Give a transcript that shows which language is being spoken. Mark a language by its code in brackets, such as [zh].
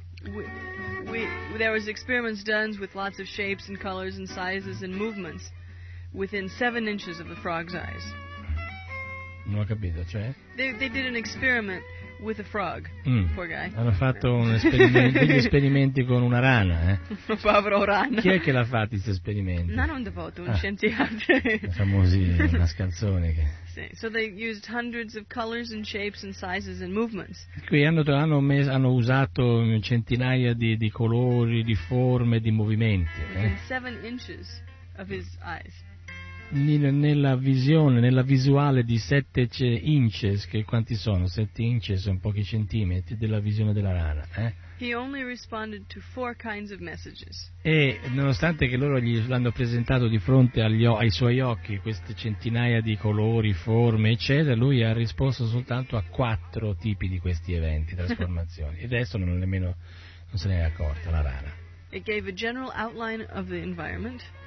[en] We there was experiments done with lots of shapes and colors and sizes and movements within 7 inches of the frog's eyes. [it] Non ho capito, cioè? [en] They did an experiment with a frog. Poor guy. [it] Hanno fatto un esperimenti con una rana, Un povero rana. Chi è che l'ha fatto questo esperimento? Non un devoto, un scienziato. Famosi una scanzone che. Sì. [en] So they used hundreds of colors and shapes and sizes and movements. [it] Qui hanno usato centinaia di colori, di forme, di movimenti. [en] Within 7 inches of his eyes. [it] Nella visione, nella visuale di 7 inches, che quanti sono? 7 inches, sono pochi centimetri della visione della rana, [en] He only responded to 4 kinds of messages. [it] E nonostante che loro gli l'hanno presentato di fronte ai suoi occhi queste centinaia di colori, forme, eccetera, lui ha risposto soltanto a 4 tipi di questi eventi, trasformazioni. E adesso non se ne è accorta la rana. [en] It gave a general outline of the environment.